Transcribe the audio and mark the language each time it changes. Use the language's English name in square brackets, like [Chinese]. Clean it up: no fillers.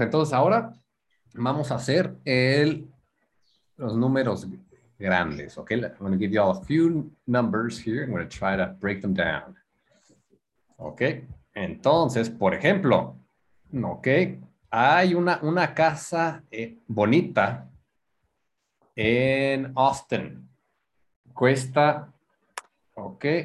[Spanish] Entonces, ahora vamos a hacer los números grandes. [English] Ok, I'm going to give you all a few numbers here. I'm going to try to break them down. [Spanish] Ok, entonces, por ejemplo, ok, hay una casa bonita en Austin. Cuesta, ok.